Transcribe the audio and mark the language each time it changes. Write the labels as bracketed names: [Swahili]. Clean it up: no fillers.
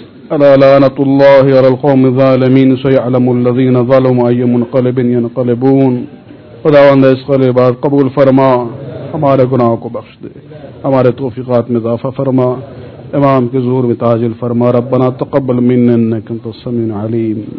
[Arabic] الا لعنة الله على القوم الظالمين، سيعلم الذين ظلموا اي منقلب ينقلبون. [Urdu] خداوند اس خلی بات قبول فرما، ہمارے گناہوں کو بخش دے، ہمارے توفیقات میں اضافہ فرما، امام کے ظہور میں تعجل فرما. [Arabic] ربنا تقبل منا انك انت السميع العليم.